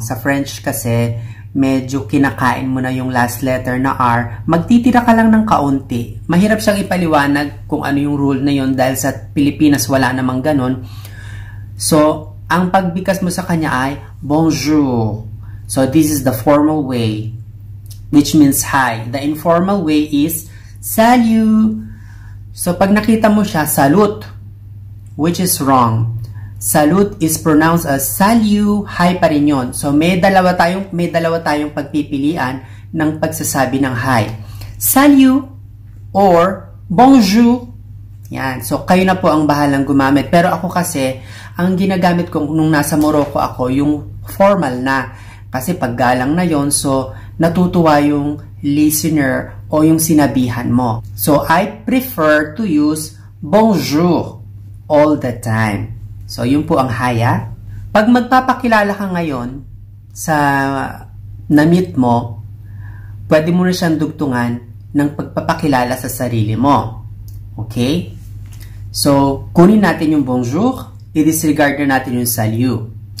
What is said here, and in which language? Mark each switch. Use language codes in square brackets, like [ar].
[tl] Sa French kasi, medyo kinakain mo na yung last letter na R. Magtitira ka lang ng kaunti. Mahirap siyang ipaliwanag kung ano yung rule na yun dahil sa Pilipinas wala namang ganun. So, ang pagbikas mo sa kanya ay bonjour. [en] So, this is the formal way, which means hi. The informal way is salut. [tl] So, pag nakita mo siya, [en] salut, which is wrong. Salut is pronounced as salut, [tl] hi pa rin yun. So, may dalawa tayong pagpipilian ng pagsasabi ng hi. Salut or bonjour. Yan. So, kayo na po ang bahalang gumamit. Pero ako kasi, ang ginagamit ko nung nasa Morocco ako, yung formal na. Kasi paggalang na yon, so, natutuwa yung listener o yung sinabihan mo. [en] So, I prefer to use bonjour all the time. [tl] So, yun po ang haya. Pag magpapakilala ka ngayon sa na-meet mo, pwede mo na siyang dugtungan ng pagpapakilala sa sarili mo. Okay? So, kunin natin yung bonjour, i-disregard na natin yung salut.